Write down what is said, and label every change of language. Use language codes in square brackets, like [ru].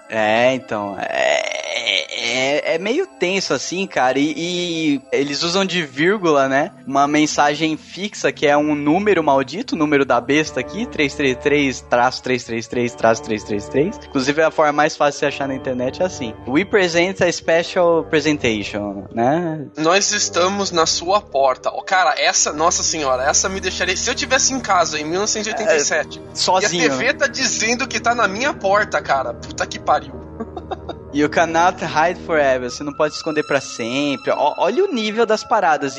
[pt] É, então, é meio tenso assim, cara. E eles usam de vírgula, né? Uma mensagem fixa que é um número maldito, o número da besta aqui, 333-333-333. Inclusive a forma mais fácil de achar na internet é assim. [en] We present a special presentation, né? [pt] Nós estamos na sua porta. Oh, cara, essa, nossa senhora, essa me deixaria... Se eu estivesse em casa em 1987... Sozinho. E a TV tá dizendo que tá na minha porta, cara. Puta que pariu. [en] You cannot hide forever. [pt] Você não pode esconder pra sempre. Olha o nível das paradas.